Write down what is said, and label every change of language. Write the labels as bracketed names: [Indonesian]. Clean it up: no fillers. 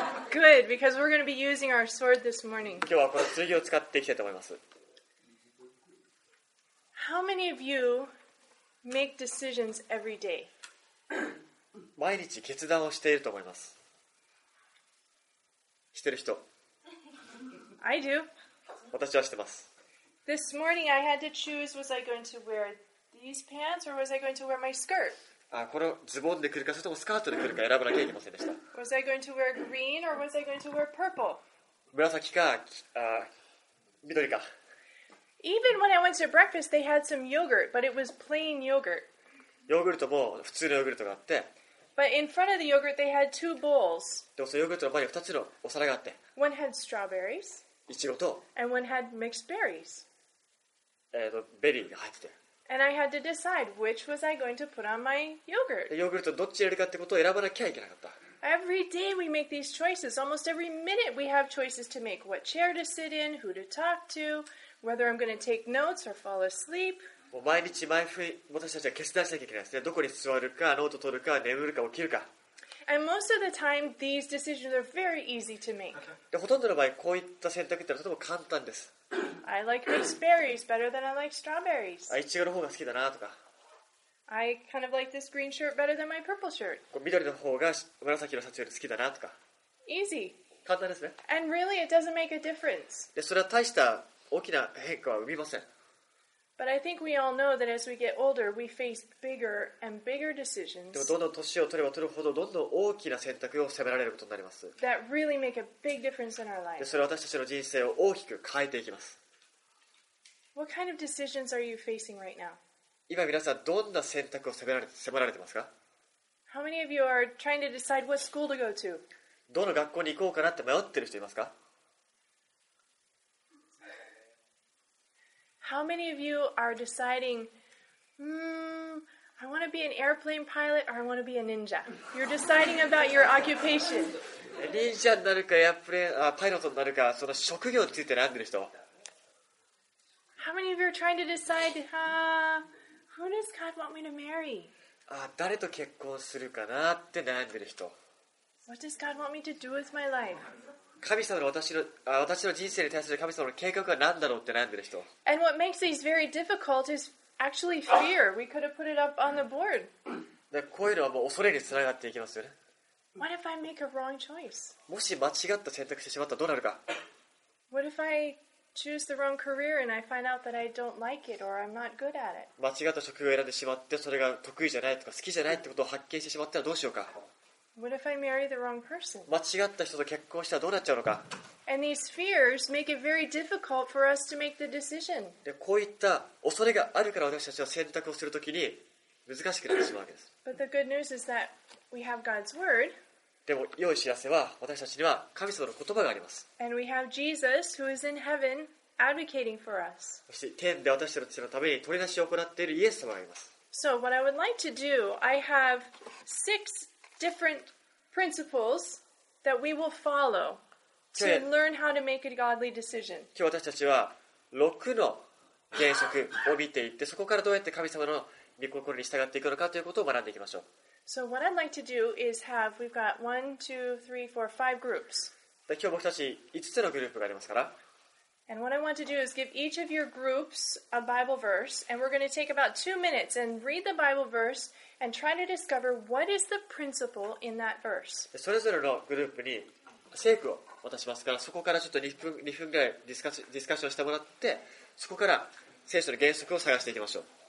[English] Good, because we're going to be using our sword this morning. [Japanese] 今日はこの剣を使っていきたいと思います。 [English] How many of you make decisions every day? [Japanese] 毎日決断をしていると思います。してる人。 [English] I do. [Japanese] 私はしてます。 [English] This morning I had to choose, was I going to wear these pants, or was I going to wear my skirt? [Japanese] Ah, このズボンで来るか、それともスカートで来るか選ばなきゃいけませんでした。 [English] Was I going to wear green, or was I going to wear purple? [Japanese] 紫か、緑か。 [English] Even when I went to breakfast, they had some yogurt, but it was plain yogurt. [Japanese] ヨーグルトも普通のヨーグルトがあって。 [English] But in front of the yogurt, they had two bowls. [Japanese] でもそのヨーグルトの前に2つのお皿があって。 [English] One had strawberries. [Japanese] いちごと。 [English] And one had mixed berries. [Japanese] ベリーが入ってて。 [English] And I had to decide which was I going to put on my yogurt. [Japanese] ヨーグルトどっち入れるかってことを選ばなきゃいけなかった。 [English] Every day we make these choices. Almost every minute we have choices to make. What chair to sit in, who to talk to, whether I'm going to take notes or fall asleep. [Japanese] もう毎日毎分私たちは決断しなきゃいけないですね。どこに座るか、ノート取るか、眠るか、起きるか。 [English] And most of the time these decisions are very easy to make. [Japanese] でほとんどの場合こういった選択ってのはとても簡単です。 [English] I like mixed berries better than I like strawberries. [Japanese] あ、いちごの方が好きだなとか。 [English] I kind of like this green shirt better than my purple shirt. [Japanese] こう緑の方が紫のシャツより好きだなとか。 [English] Easy. [Japanese] 簡単ですね。 [English] And really, it doesn't make a difference. [Japanese] で、それは大した大きな変化は生みません。 [English] But I think we all know that as we get older, we face bigger and bigger decisions. [Japanese] でもどんどん年を取れば取るほどどんどん大きな選択を迫られることになります。 [English] That really make a big difference in our life. [Japanese] で、それは私たちの人生を大きく変えていきます。 [English] What kind of decisions are you facing right now? [Japanese] 今皆さんどんな選択を迫られてますか? [English] How many of you are trying to decide what school to go to? [Japanese] どの学校に行こうかなって迷ってる人いますか? [English] How many of you are deciding, I want to be an airplane pilot or I want to be a ninja? You're deciding about your occupation. [Japanese] Ninja になるかパイロットになるか、その職業について悩んでる人。 [English] How many of you are trying to decide, who does God want me to marry? [Japanese] 誰と結婚するかなって悩んでる人。 [English] What does God want me to do with my life? [Japanese] 神様の私の人生に対する神様の計画は何だろうって悩んでる人。 [English] And what makes these very difficult is actually fear. We could have put it up on the board. [Japanese] で、こういうのはもう恐れにつながっていきますよね。 [English] What if I make a wrong choice? [Japanese] もし間違った選択してしまったらどうなるか。 [English] What if I choose the wrong career and I find out that I don't like it or I'm not good at it? [Japanese] 間違った職業を選んでしまって、それが得意じゃないとか好きじゃないってことを発見してしまったらどうしようか。 [English] What if I marry the wrong person? [Japanese] 間違った人と結婚したらどうなっちゃうのか。 [English] And these fears make it very difficult for us to make the decision. [Japanese] で、こういった恐れがあるから私たちは選択をするときに難しくなってしまうわけです。 [English] But the good news is that we have God's word. [Japanese] でも良い知らせは私たちには神様の言葉があります。 [English] And we have Jesus who is in heaven advocating for us. [Japanese] そして天で私たちのために取り出しを行っているイエス様がいます。 [English] So what I would like to do, I have six different principles that we will follow to learn how to make a godly decision. [Japanese] 今日私たちは6の原則を見ていって、そこからどうやって神様の御心に従っていくのかということを学んでいきましょう。 [English] So what I'd like to do is have, we've got 1, 2, 3, 4, 5 groups. [Japanese] 今日僕たち5つのグループがありますから。 [English] And what I want to do is give each of your groups a Bible verse, and we're going to take about 2 minutes and read the Bible verse and try to discover what is the principle in that verse. [Japanese] それぞれのグループに聖句を渡しますから、そこからちょっと2分ぐらいディスカッションしてもらって、そこから聖書の原則を探していきましょう。